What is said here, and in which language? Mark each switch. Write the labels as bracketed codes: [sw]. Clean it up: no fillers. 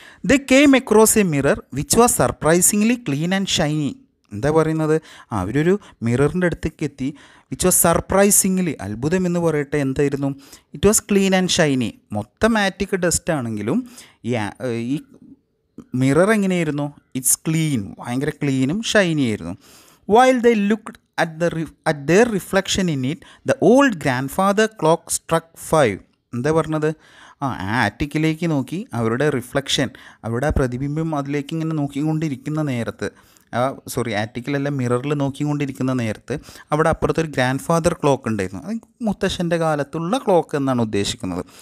[en] They came across a mirror which was surprisingly clean and shiny. [ml] എന്താ പറയുന്നത്? അവരൊരു മിററിൻ്റെ അടുത്തേക്ക് എത്തി, വിച്ച് വാസ് സർപ്രൈസിംഗ്ലി, അത്ഭുതം എന്ന് പറയട്ടെ, എന്തായിരുന്നു? [en] It was clean and shiny. [ml] മൊത്തം ആറ്റിക് ഡസ്റ്റ് ആണെങ്കിലും ഈ മിറർ എങ്ങനെയായിരുന്നു? [en] it's clean, [ml] ഭയങ്കര ക്ലീനും ഷൈനി ആയിരുന്നു. [en] While they looked at their reflection in it, the old grandfather clock struck 5. [ml] എന്താ പറഞ്ഞത്? ആ ആറ്റിക്കിലേക്ക് നോക്കി, അവരുടെ റിഫ്ലക്ഷൻ, അവരുടെ ആ പ്രതിബിംബം അതിലേക്ക് ഇങ്ങനെ നോക്കിക്കൊണ്ടിരിക്കുന്ന നേരത്ത്, സോറി, ആറ്റിക്കിലല്ല, മിററിൽ നോക്കിക്കൊണ്ടിരിക്കുന്ന നേരത്ത്, അവിടെ അപ്പുറത്തൊരു ഗ്രാൻഡ് ഫാദർ ക്ലോക്ക് ഉണ്ടായിരുന്നു. അത് മുത്തശ്ശൻ്റെ കാലത്തുള്ള ക്ലോക്ക് എന്നാണ് ഉദ്ദേശിക്കുന്നത്.